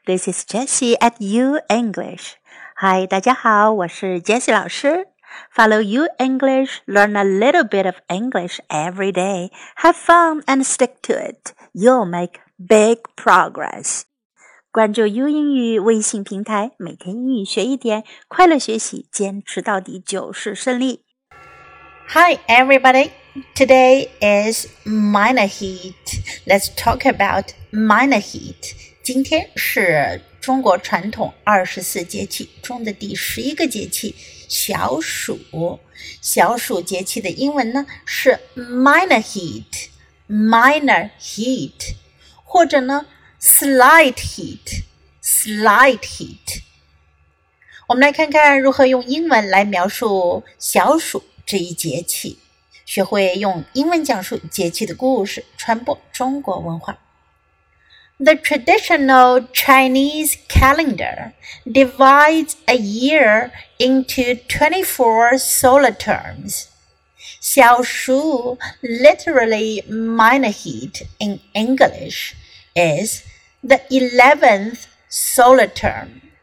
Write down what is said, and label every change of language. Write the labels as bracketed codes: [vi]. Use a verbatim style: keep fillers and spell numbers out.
[en] This is Jessie at U English. Hi, [zh] 大家好，我是 Jessie 老师。 [en] Follow U English, learn a little bit of English every day. Have fun and stick to it. You'll make big progress. [zh] 关注 U 英语微信平台，每天英语学一点，快乐学习，坚持到底就是胜利。 [en] Hi, everybody. Today is minor heat. Let's talk about minor heat. [zh] 今天是中国传统二十四节气中的第十一个节气小暑。小暑节气的英文呢是 [en] minor heat, minor heat, [zh] 或者呢 [en] slight heat, slight heat. [zh] 我们来看看如何用英文来描述小暑这一节气，学会用英文讲述节气的故事，传播中国文化。 [en] The traditional Chinese calendar divides a year into twenty-four solar terms. 小暑, literally minor heat in English, is the eleventh solar term.